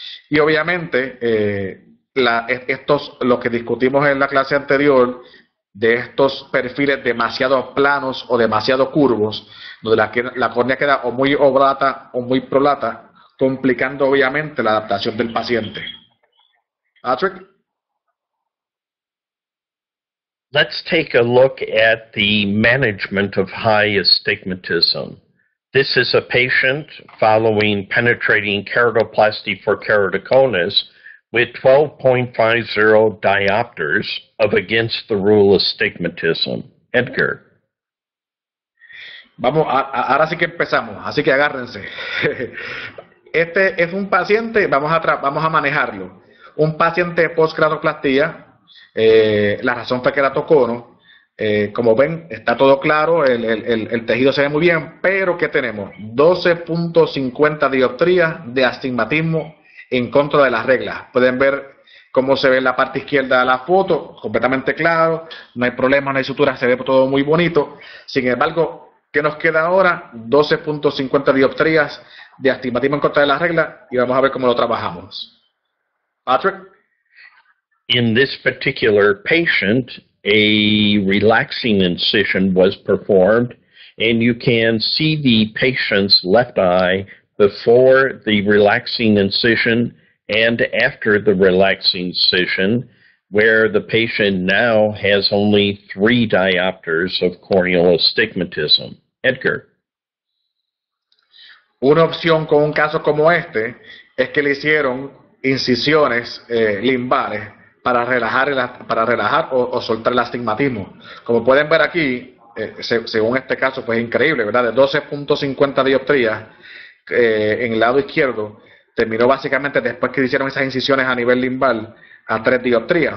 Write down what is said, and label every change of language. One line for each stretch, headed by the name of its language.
Spanish: Y obviamente, lo que discutimos en la clase anterior, de estos perfiles demasiado planos o demasiado curvos, donde la córnea queda o muy oblata o muy prolata, complicando obviamente la adaptación del paciente. Patrick.
English: Let's take a look at the management of high astigmatism. This is a patient following penetrating keratoplasty for keratoconus with 12.50 diopters of against the rule astigmatism. Edgar.
Spanish: Vamos, ahora sí que empezamos, así que agárrense. Este es un paciente, vamos a manejarlo. Un paciente de post-keratoplastía. La razón fue que la tocó, ¿no? Como ven, está todo claro, el tejido se ve muy bien, pero ¿qué tenemos? 12.50 dioptrías de astigmatismo en contra de las reglas. Pueden ver cómo se ve en la parte izquierda de la foto, completamente claro, no hay problema, no hay sutura, se ve todo muy bonito. Sin embargo, ¿qué nos queda ahora? 12.50 dioptrías de astigmatismo en contra de las reglas y vamos a ver cómo lo trabajamos. Patrick.
English: In this particular patient, a relaxing incision was performed, and you can see the patient's left eye before the relaxing incision and after the relaxing incision, where the patient now has only 3 diopters of corneal astigmatism. Edgar.
Spanish: Una opción con un caso como este es que le hicieron incisiones limbares. Para relajar o soltar el astigmatismo. Como pueden ver aquí, según este caso, pues increíble, ¿verdad? De 12.50 dioptrías en el lado izquierdo, terminó básicamente después que hicieron esas incisiones a nivel limbal a 3 dioptrías.